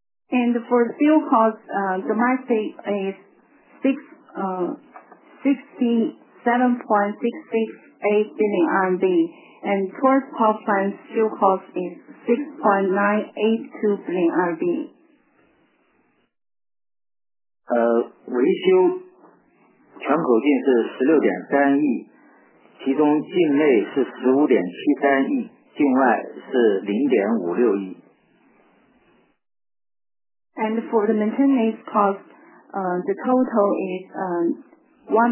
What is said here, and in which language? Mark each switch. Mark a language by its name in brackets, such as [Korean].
[English] And for fuel cost, domestic is 67.668 billion RMB, and towards power plant fuel cost is 6.982 billion RMB. [Chinese] 维修全口径是16.3亿，其中境内是15.73亿，境外是0.56亿。 [English] And for the maintenance cost, the total is